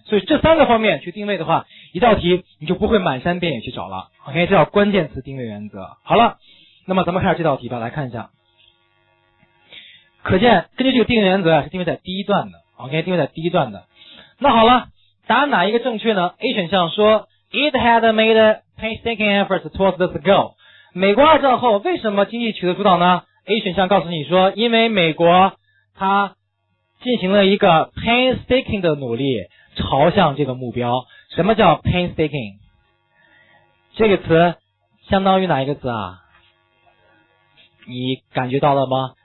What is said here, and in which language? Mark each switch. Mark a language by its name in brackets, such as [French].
[Chinese] 所以这三个方面去定位的话，一道题你就不会满山遍野去找了。 OK， 这叫关键词定位原则。好了，那么咱们看下这道题吧，来看一下。可见根据这个定位原则是定位在第一段的。OK， 定位在第一段的。那好了，答案哪一个正确呢？ A 选项说 [English] It had made painstaking efforts towards this goal。 [Chinese] 美国二战后为什么经济取得主导呢？A 选项告诉你说，因为美国它进行了一个 painstaking 的努力，朝向这个目标。什么叫 painstaking？ 这个词相当于哪一个字啊？你感觉到了吗？